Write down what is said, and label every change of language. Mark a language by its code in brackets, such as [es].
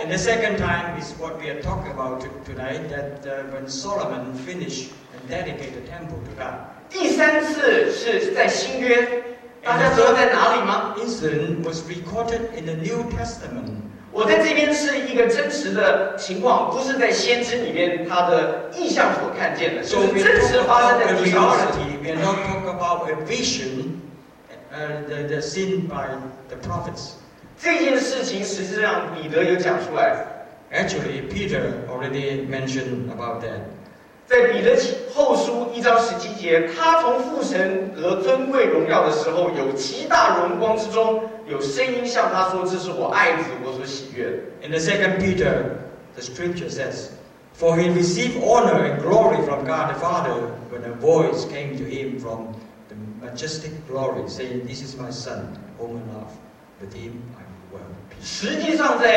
[en] And the second time is what we are talking about tonight, that when Solomon finished and dedicated the temple to God. [zh] 第三次是在新约,大家知道在哪里吗? [en] The incident was recorded in the New Testament. [zh] 我在这边是一个真实的情况,不是在先知里面他的意象所看见的, 是真实发生在地上的事。 [en] We are not talking about a vision seen by the prophets. [zh] 这件事情实际上彼得有讲出来。 [en] Actually, Peter already mentioned about that. [zh] 在彼得后书1章17节, 他从父神得尊贵荣耀的时候,有七大荣光之中, 有声音向他说,这是我爱子,我所喜悦的。 [en] In the second Peter, the scripture says, For he received honor and glory from God the Father when a voice came to him from the majestic glory, saying, This is my son, whom I love, with him I am well.